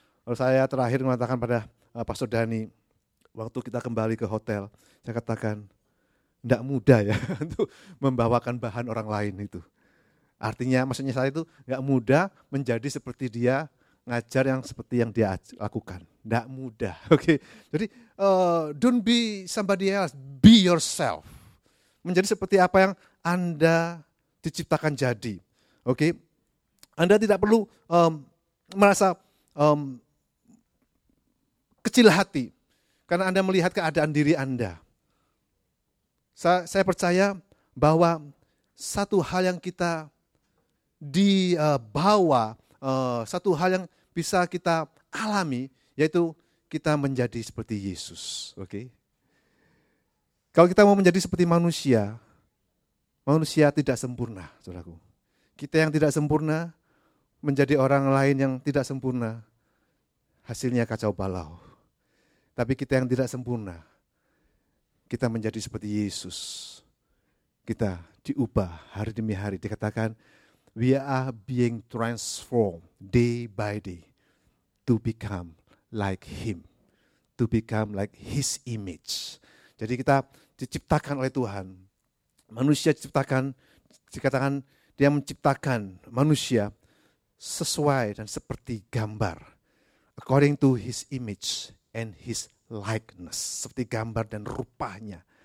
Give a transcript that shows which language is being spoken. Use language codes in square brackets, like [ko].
[id] Saya terakhir mengatakan pada Pastor Dani, waktu kita kembali ke hotel, saya katakan, tidak mudah ya untuk membawakan bahan orang lain itu. Artinya, maksudnya saya itu tidak mudah menjadi seperti dia, ngajar yang seperti yang dia lakukan. Tidak mudah. Okay. Jadi, [en] don't be somebody else, be yourself. [id] Menjadi seperti apa yang Anda diciptakan jadi. Okay. Anda tidak perlu merasa kecil hati karena Anda melihat keadaan diri Anda. Saya percaya bahwa satu hal yang kita dibawa, satu hal yang bisa kita alami, yaitu kita menjadi seperti Yesus. Okay? Kalau kita mau menjadi seperti manusia, manusia tidak sempurna, saudaraku. Kita yang tidak sempurna, menjadi orang lain yang tidak sempurna, hasilnya kacau balau. Tapi kita yang tidak sempurna, kita menjadi seperti Yesus. Kita diubah hari demi hari. Dikatakan, [en] we are being transformed day by day to become like Him, to become like His image. [id] Jadi kita diciptakan oleh Tuhan. Manusia diciptakan, dikatakan dia menciptakan manusia sesuai dan seperti gambar. [en] According to His image and His likeness, [id] seperti gambar dan rupanya.